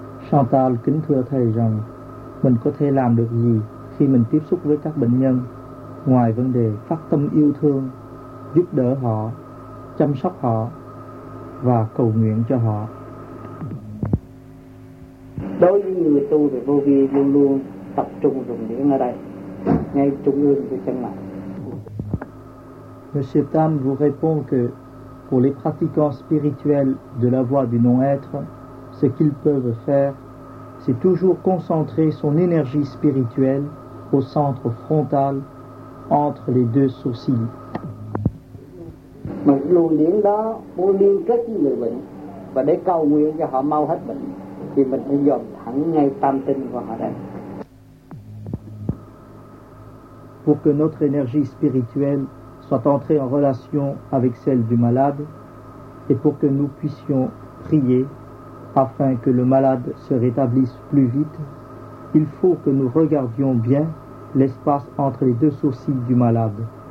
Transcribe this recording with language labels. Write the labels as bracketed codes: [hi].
[vi] Chantal kính thưa thầy rằng mình có thể làm được gì khi mình tiếp xúc với các bệnh nhân ngoài vấn đề phát tâm yêu thương, giúp đỡ họ, chăm sóc họ, và cầu nguyện cho họ. Đối với người tu thì vô vi luôn luôn tập trung dùng điển ở đây, ngay trung ương của chân mặt. [fr] Monsieur Tam vous répond que pour les pratiquants spirituels de la voie du non-être, ce qu'ils peuvent faire, c'est toujours concentrer son énergie spirituelle au centre frontal entre les deux sourcils. [vi] Mais luôn điển đó muốn liên kết với người bệnh và để cầu nguyện cho họ mau hết bệnh thì mình phải dồn thẳng ngay tâm tin của họ đây. [fr] Pour que notre énergie spirituelle soit entrée en relation avec celle du malade et pour que nous puissions prier afin que le malade se rétablisse plus vite, il faut que nous regardions bien l'espace entre les deux sourcils du malade.